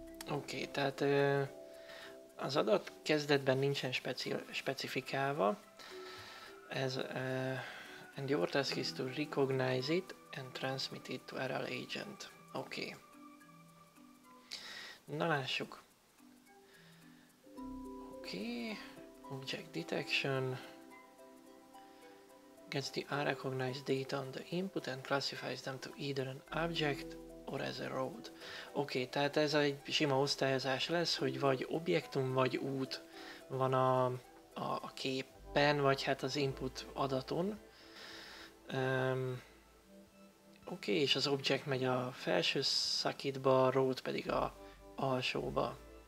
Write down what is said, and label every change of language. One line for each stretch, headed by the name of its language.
Hungarian: Oké, tehát az adat kezdetben nincsen specifikálva. Ez
English: And your task is to recognize it and transmit it to RL agent. Okay.
Hungarian: Na lássuk.
English: Okay. Object detection. Gets the unrecognized data on the input and classifies them to either an object or as a road.
Hungarian: Oké, okay, tehát ez egy sima osztályozás lesz, hogy vagy objektum, vagy út van a képen, vagy hát az input adaton. Oké, okay, és az object megy a felső szakítba, a road pedig a alsóba.